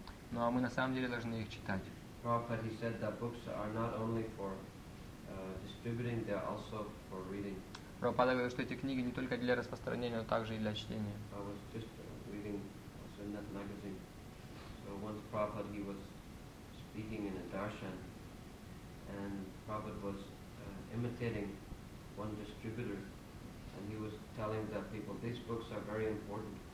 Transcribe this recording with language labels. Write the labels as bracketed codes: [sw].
[ru] Но мы на самом деле должны их читать. [en] Prabhupada, he said that books are not only for distributing, they're also for reading. [ru] Прабхупада говорил, что эти книги не только для распространения, но также и для чтения. [en] I was just reading also in that magazine. So once Prabhupada, he was speaking in a darshan, and Prabhupada was imitating one distributor. And he was telling the people, these books are very important.